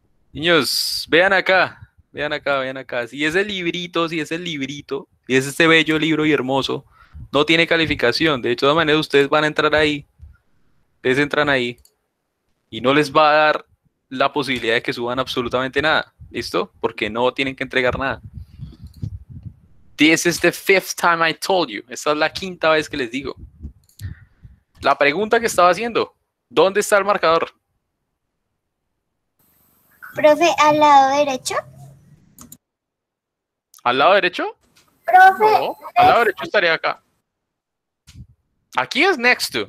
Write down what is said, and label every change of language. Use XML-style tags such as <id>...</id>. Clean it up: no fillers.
<es>Niños, vean acá, si ese bello libro y hermoso, no tiene calificación, de hecho, de todas maneras, ustedes van a entrar ahí, ustedes entran ahí, y no les va a dar la posibilidad de que suban absolutamente nada. ¿Listo? Porque no tienen que entregar nada.</es> <en>This is the fifth time I told you.</en> <es>Esta es la quinta vez que les digo. La pregunta que estaba haciendo. ¿Dónde está el marcador? Profe, ¿al lado derecho? ¿Al lado derecho? Profe. No, al lado derecho estaría acá. Aquí es next to.</es>